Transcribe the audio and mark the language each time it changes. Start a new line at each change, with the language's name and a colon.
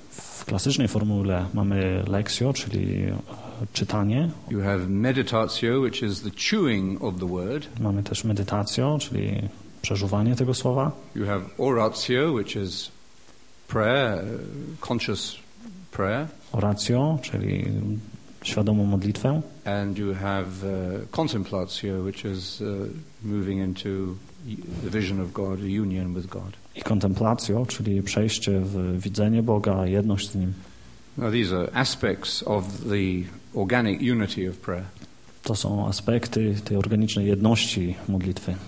Polish: W klasycznej formule mamy lectio, czyli czytanie.
English: You have meditatio, which is the chewing of the word.
Polish: Mamy też medytatio, czyli przeżuwanie tego słowa.
English: You have oratio, which is prayer, conscious prayer.
Polish: Oratio, czyli świadomą modlitwę.
English: And you have contemplatio, which is moving into the vision of God, union with God.
Polish: I kontemplacja, czyli przejście w widzenie Boga, jedność z Nim.
English: Now these are aspects of the organic unity of prayer.
Polish: To są aspekty tej organicznej jedności modlitwy.